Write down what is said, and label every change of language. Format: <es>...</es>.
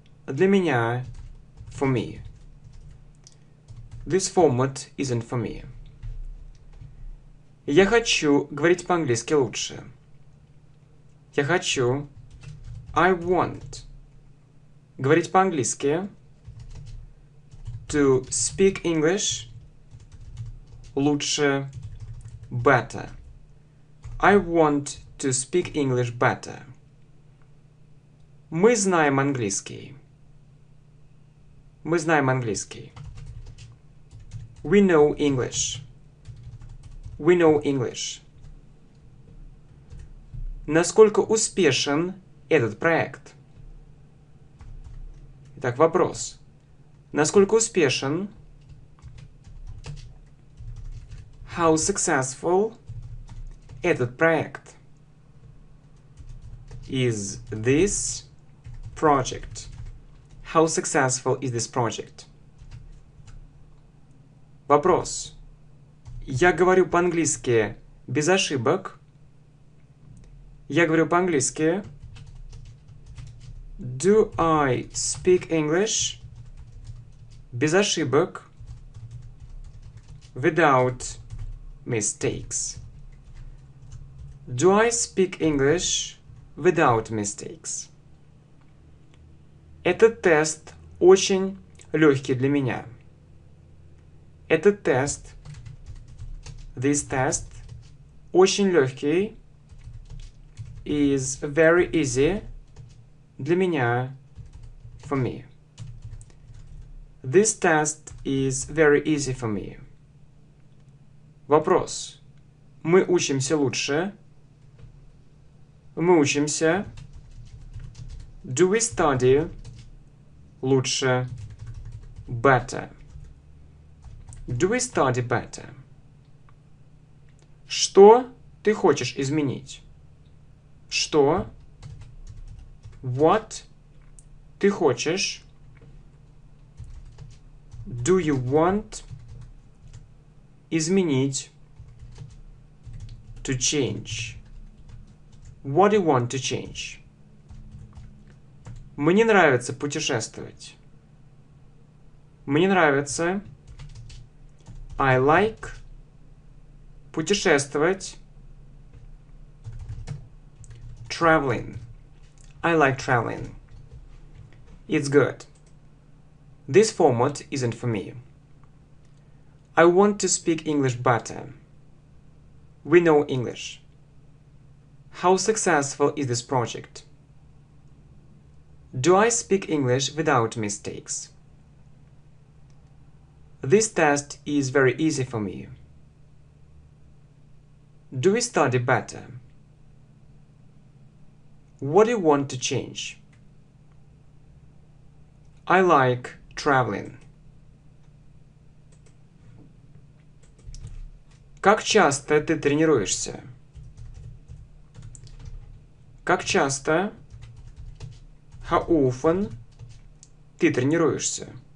<ru>Для меня,</ru> <en>for me. This format isn't for me.</en> <ru>Я хочу говорить по-английски лучше. Я хочу,</ru> <en>I want,</en> <ru>говорить по-английски,</ru> <en>to speak English,</en> <ru>лучше,</ru> <en>better. I want to speak English better.</en> <ru>Мы знаем английский. Мы знаем английский.</ru> <en>We know English. We know English.</en> <ru>Насколько успешен этот проект? Итак, вопрос. Насколько успешен?</ru> <en>How successful</en> <ru>этот проект?</ru> <en>Is this project? How successful is this project?</en> <ru>Вопрос. Я говорю по-английски без ошибок. Я говорю по-английски.</ru> <en>Do I speak English?</en> <ru>Без ошибок.</ru> <en>Without mistakes. Do I speak English without mistakes?</en> <ru>Этот тест очень легкий для меня. Этот тест,</ru> <en>this test,</en> <ru>очень легкий,</ru> <en>is very easy</en> <ru>для меня,</ru> <en>for me. This test is very easy for me.</en> <ru>Вопрос. Мы учимся лучше. Мы учимся.</ru> <en>Do we study?</en> <ru>Лучше,</ru> <en>better. Do we study better?</en> <ru>Что ты хочешь изменить? Что?</ru> <en>What</en> <ru>ты хочешь?</ru> <en>Do you want</en> <ru>изменить?</ru> <en>To change. What do you want to change?</en> <ru>Мне нравится путешествовать. Мне нравится.</ru> <en>I like</en> <ru>путешествовать.</ru> <en>Traveling. I like traveling. It's good. This format isn't for me. I want to speak English better. We know English. How successful is this project? Do I speak English without mistakes? This test is very easy for me. Do we study better? What do you want to change? I like traveling.</en> <ru>Как часто ты тренируешься? Как часто?</ru> <en>How often</en> <ru>ты тренируешься?</ru>